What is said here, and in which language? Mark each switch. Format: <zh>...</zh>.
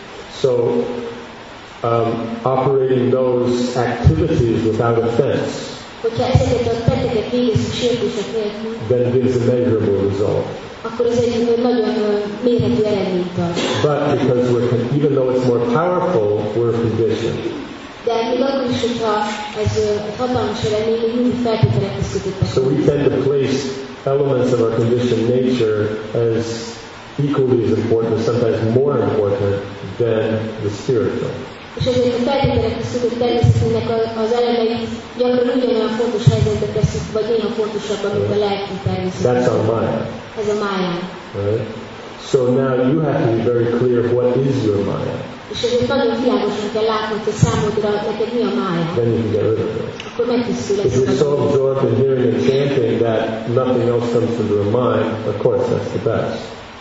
<en>So, operating those activities without offense, then gives a measurable result.</en> <hu>Akkor ez egy nagyon mérhető eredményt ad.</hu> <en>But because we're, even though it's more powerful, we're conditioned.</en> <hu>De még akkor is, hogyha ez hatalmas eredmény, még mindig feltételekhez kötöttek.</hu> <en>So we tend to place elements of our conditioned nature as equally as important, sometimes more important than the spiritual.</en> <hu>És ezért a feltételekhez kötött természetnek az elemeit gyakran ugyanolyan fontos helyzetbe teszik, vagy olyan fontosabb, mint a lelki természet.</hu> <en>That's our mind. As a Maya. Right. So now you have to be very clear of what is your Maya. Then you can get rid of it. If you're so absorbed in hearing and chanting that nothing else comes to your mind, of course that's the best.</en>